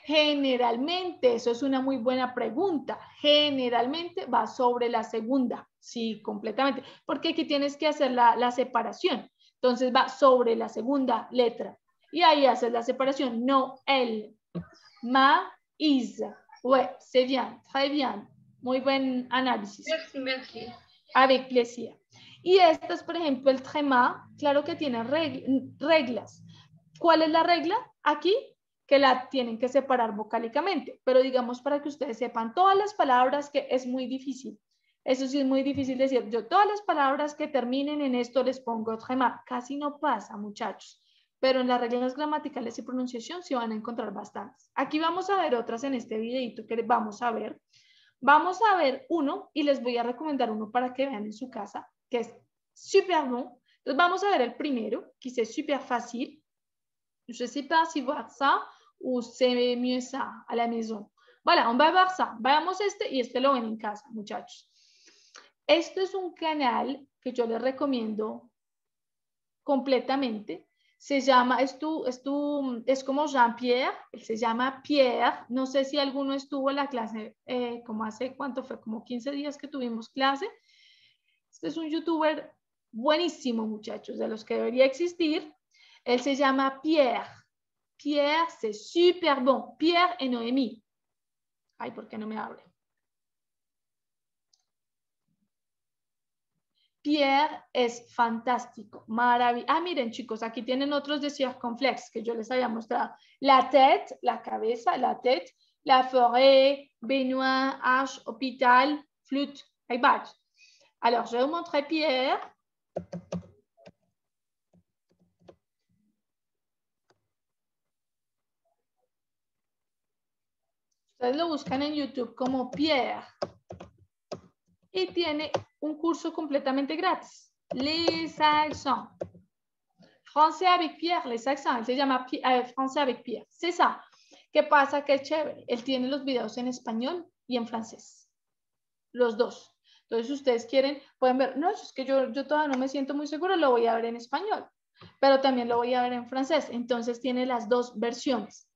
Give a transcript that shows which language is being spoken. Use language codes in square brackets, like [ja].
[es] Generalmente, eso es una muy buena pregunta. Generalmente va sobre la segunda, sí, completamente. Porque aquí tienes que hacer la separación. Entonces va sobre la segunda letra. Y ahí haces la separación. [fr] Noel, ma, is. Ouais, c'est bien, très bien. [es] Muy buen análisis. [fr] Merci, merci. Avec plaisir. [es] Y este es, por ejemplo, el tréma, claro que tiene reglas. ¿Cuál es la regla aquí? Que la tienen que separar vocálicamente. Pero digamos, para que ustedes sepan, todas las palabras que es muy difícil, eso sí es muy difícil decir, yo todas las palabras que terminen en esto les pongo tréma. Casi no pasa, muchachos. Pero en las reglas gramaticales y pronunciación sí van a encontrar bastantes. Aquí vamos a ver otras en este videito que vamos a ver. Vamos a ver uno y les voy a recomendar uno para que vean en su casa, que es [fr] super bon. [es] Entonces vamos a ver el primero, que es super fácil. [fr] Je ne sais pas si voir ça ou c'est mieux ça à la maison. Voilà, on va voir ça. [es] Vayamos este y este lo ven en casa, muchachos. Esto es un canal que yo les recomiendo completamente. Se llama, es como Jean-Pierre, él se llama Pierre. No sé si alguno estuvo en la clase, como hace, ¿cuánto fue? Como 15 días que tuvimos clase. Este es un youtuber buenísimo, muchachos, de los que debería existir. Él se llama Pierre. Pierre, [fr] c'est super bon. [es] Pierre et Noémie. Ay, ¿por qué no me abre? Pierre es fantástico, maravilloso. Ah, miren, chicos, aquí tienen otros de circonflex que yo les había mostrado. La tête, la cabeza, la tête, la forêt, Benoît, Arche, hôpital, flûte, hay varios. [fr] Alors, je vous montre Pierre. [es] Ustedes lo buscan en YouTube como Pierre. Y tiene un curso completamente gratis. [fr] Les accents. [es] Français avec Pierre, les accents. Él se llama Français avec Pierre. [fr] C'est ça. [es] ¿Qué pasa? Que es chévere. Él tiene los videos en español y en francés. Los dos. Entonces, si ustedes quieren, pueden ver. No, es que yo todavía no me siento muy seguro. Lo voy a ver en español. Pero también lo voy a ver en francés. Entonces, tiene las dos versiones.